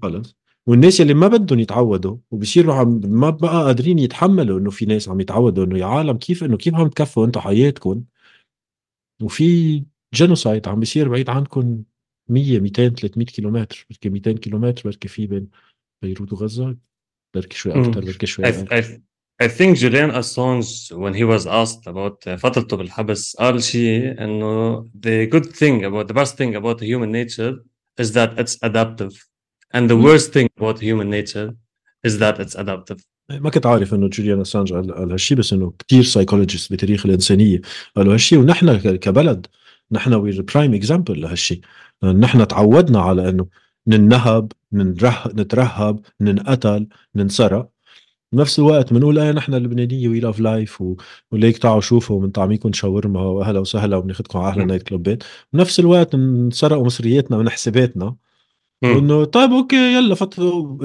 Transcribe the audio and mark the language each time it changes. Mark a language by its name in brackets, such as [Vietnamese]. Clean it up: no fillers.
[Arabic] خلص، والناس اللي ما بدهم يتعودوا وبصيروا ما بقى قادرين يتحملوا انه في ناس عم يتعودوا انه يا عالم كيف انه كيف عم تكفوا انتوا حياتكم وفي جينوسايد عم بيصير بعيد عنكم 100 200 300 كيلومتر، بركي 200 كيلومتر بركي في بين بيروت وغزة، بركي شوي اكثر بركي شوي اكثر. [English] I think Julian Assange when he was asked about [Arabic] فترته بالحبس قال شيء انه [English] the best thing about the human nature is that it's adaptive. And the worst thing about human nature is that it's adaptive. [Arabic] ما كنت عارف إنه جوليان أسانج قال هالشي، بس إنه كتير سايكولوجيست بتاريخ الإنسانية قالوا هالشي، ونحن كبلد نحن [English] we're the prime example [Arabic] لهالشي. نحن تعودنا على إنه ننهب نترهب ننقتل ننسرق، نفس الوقت منقول ايه نحن اللبنانية [English] we love life [Arabic] وليك تعوا شوفوا من طعميكم شاورما وأهلا وسهلا ومنخدكم على نايت كلوبات، نفس الوقت نسرقوا مصرياتنا من حساباتنا انه طيب اوكي يلا فتحوا.